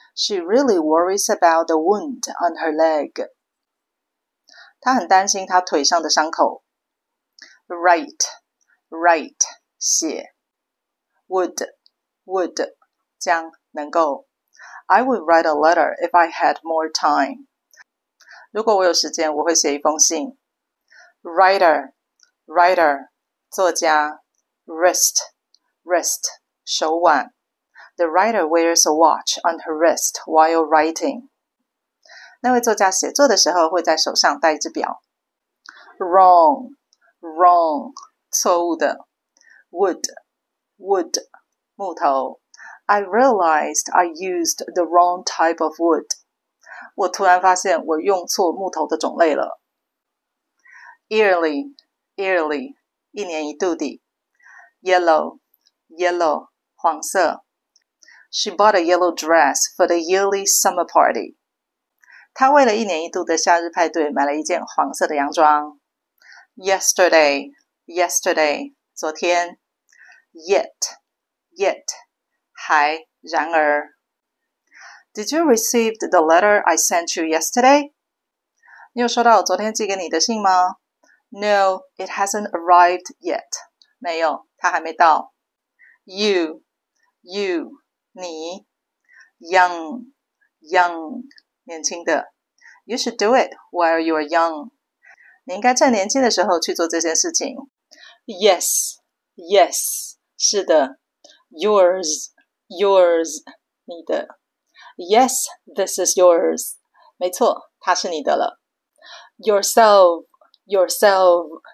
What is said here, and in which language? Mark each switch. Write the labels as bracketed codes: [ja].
[en] She really worries about the wound on her leg. [zh] 她很担心她腿上的伤口。 [en] Write, write, [zh] 写。 [en] Would, would, [zh] 将、能够。 [en] I would write a letter if I had more time. [zh] 如果我有时间，我会写一封信。 [en] Writer, writer, [zh] 作家。 [en] Wrist, wrist, [zh] 手腕。 [en] The writer wears a watch on her wrist while writing. [zh] 那位作家写作的时候会在手上戴一只表。 [en] Wrong, wrong, [zh] 错误的。 [en] Wood, wood, [zh] 木头。 [en] I realized I used the wrong type of wood. [zh] 我突然发现我用错木头的种类了。 [en] Yearly, yearly, [zh] 一年一度的。 [en] Yellow, yellow, [zh] 黄色。 [en] She bought a yellow dress for the yearly summer party. [zh] 她为了一年一度的夏日派对买了一件黄色的洋装。 [en] Yesterday, yesterday, [zh] 昨天。 [en] Yet, yet, [zh] 还、然而。 [en] Did you receive the letter I sent you yesterday? [zh] 你有收到我昨天寄给你的信吗？ [en] No, it hasn't arrived yet. [zh] 没有，它还没到。 [en] You, you, [zh] 你。 [en] Young, young, [zh] 年轻的。 [en] You should do it while you are young. [zh] 你应该趁年轻的时候去做这件事情。 [en] Yes, yes, [zh] 是的。 [en] Yours, yours, [zh] 你的。 [en] Yes, this is yours. [zh] 没错，它是你的了。 [en] Yourself, yourself,